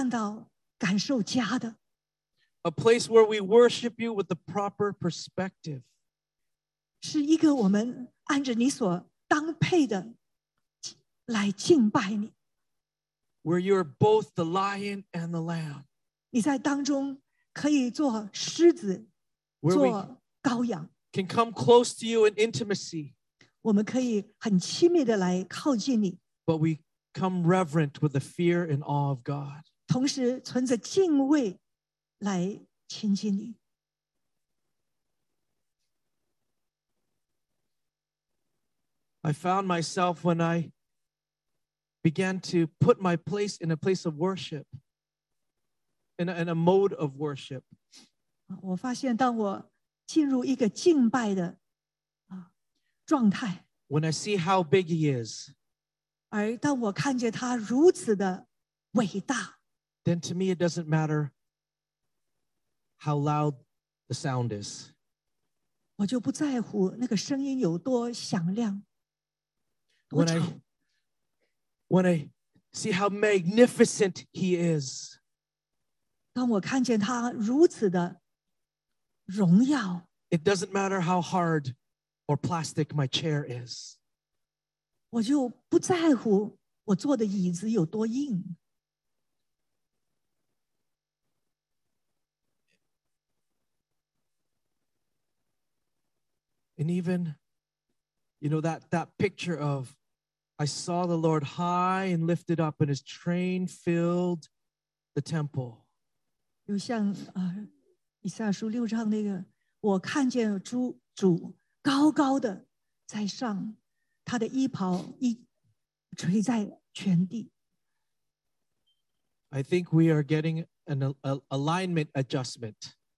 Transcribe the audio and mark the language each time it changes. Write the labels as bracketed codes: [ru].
[zh] 是那里没有增进，是你可以看到、感受家的。 [en] A place where we worship you with the proper perspective. [zh] 是一个我们按着你所当配的来敬拜你。 [en] Where you are both the lion and the lamb. [zh] 你在当中可以做狮子，做羔羊。 [en] Can come close to you in intimacy. [zh] 我们可以很亲密地来靠近你。 [en] But we come reverent with the fear and awe of God. [zh] 同时存着敬畏来亲近你。 [en] I found myself when I began to put my place in a place of worship, in a mode of worship. [zh] 我发现当我 进入一个敬拜的状态, [en] when I see how big he is, [zh] 而当我看见他如此的伟大, [en] then to me it doesn't matter how loud the sound is. [zh] 我就不在乎那个声音有多响亮, [en] when I see how magnificent he is, [zh] 当我看见他如此的荣耀, [en] it doesn't matter how hard or plastic my chair is. [zh] 我就不在乎我坐的椅子有多硬。 [en] And even, you know, that picture of I saw the Lord high and lifted up and his train filled the temple. [zh] 就像以赛亚书六章那个 我看见主高高的在上, 他的衣袍垂在全地。 [en] I think we are getting an alignment adjustment.